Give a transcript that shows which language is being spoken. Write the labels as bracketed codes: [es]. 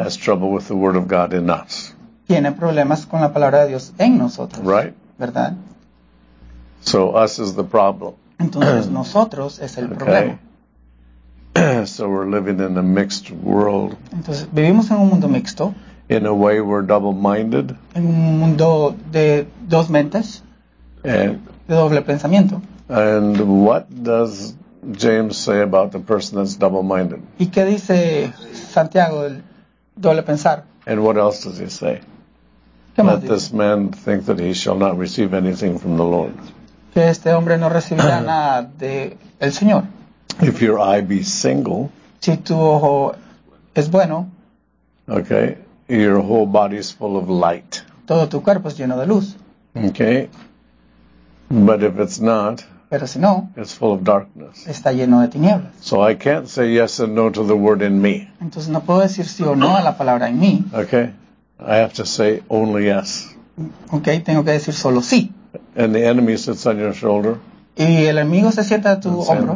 [en] Has trouble with the word of God in us. [es] Tiene problemas con la palabra de Dios en nosotros. [en] Right. [es] ¿Verdad? [en] So us is the problem. [es] Entonces nosotros es el problema. [en] So we're living in a mixed world. [es] Entonces vivimos en un mundo mixto. [en] In a way we're double-minded. [es] En un mundo de dos mentes. [en] And, [es] de doble pensamiento. [en] And what does James say about the person that's double-minded? [es] ¿Y qué dice Santiago el doble pensar? [en] And what else does he say? Let this man think that he shall not receive anything from the Lord. [es] Que este hombre no recibirá nada de el Señor. [en] If your eye be single, [es] si tu ojo es bueno, [en] okay, your whole body is full of light. [es] Todo tu cuerpo es lleno de luz. [en] Okay, but if it's not, [es] pero si no, [en] it's full of darkness. [es] Está lleno de tinieblas. [en] So I can't say yes and no to the word in me. [es] Entonces no puedo decir sí o no a la palabra en mí. [en] Okay, I have to say only yes. [es] Okay, tengo que decir solo sí. [en] And the enemy sits on your shoulder. [es] Y el enemigo se sienta a tu hombro.